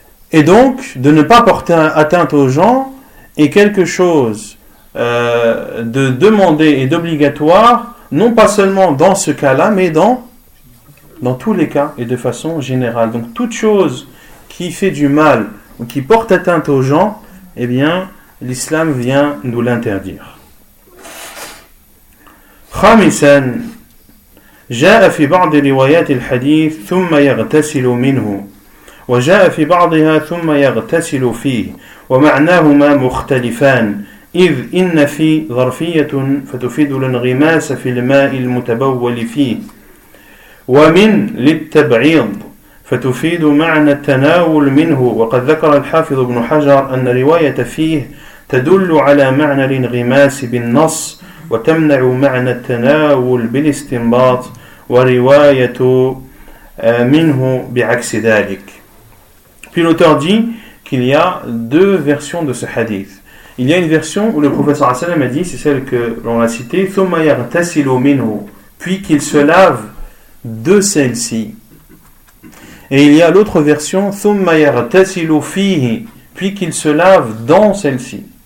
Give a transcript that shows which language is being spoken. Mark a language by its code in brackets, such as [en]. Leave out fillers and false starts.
[fr] Et donc, de ne pas porter atteinte aux gens est quelque chose de demandé et d'obligatoire, non pas seulement dans ce cas-là, mais dans tous les cas et de façon générale. Donc toute chose qui fait du mal ou qui porte atteinte aux gens, eh bien, l'islam vient nous l'interdire. [ar] خامساً جاء في بعض روايات الحديث ثم يغتسل منه وجاء في بعضها ثم يغتسل فيه ومعناهما مختلفان إذ إن في ظرفية فتفيد الانغماس في الماء المتبول فيه ومن للتبعيض فتفيد معنى التناول منه وقد ذكر الحافظ ابن حجر أن رواية فيه تدل على معنى الانغماس بالنص وتمنع معنى التناول بالاستنباط ورواية منه بعكس ذلك. [fr] Puis l'auteur dit qu'il y a deux versions de ce hadith. Il y a une version où le professeur a dit, c'est celle que l'on a citée, « [ar] ثُمَّ يَغْتَسِلُ مِنْهُ [fr] » puis qu'il se lave de celle-ci. Et il y a l'autre version, « [ar] ثُمَّ يَغْتَسِلُ فِيهِ [fr] » puis qu'il se lave dans celle-ci.